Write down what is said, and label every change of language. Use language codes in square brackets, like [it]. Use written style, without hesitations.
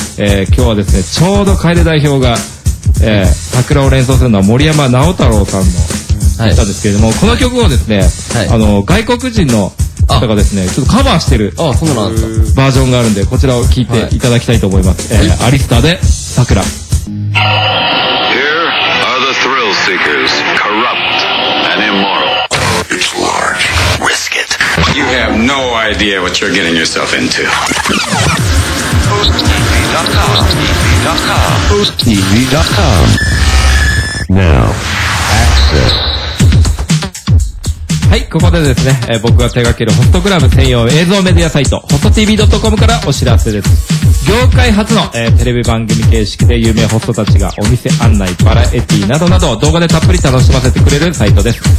[ja] 今日はですね、ちょうど楓代表が、桜を連想するのは森山直太朗さんの歌ですけれども、はい、この曲をですね、はい、あの外国人のとかですね、ちょっとカバーしてるバージョンがあるんで、こちらを聴いていただきたいと思います、はい、アリスタで桜。 [en] Here are the thrill seekers, corrupt and immoral. It's large. Risk it. You have no idea what you're getting yourself into. HostTV.com Now access [ja] はい、ここでですね、僕が手掛けるホストグラム専用映像メディアサイト、ホスト TV.com からお知らせです。業界初の、テレビ番組形式で有名ホストたちがお店案内、バラエティなどなど動画でたっぷり楽しませてくれるサイトです。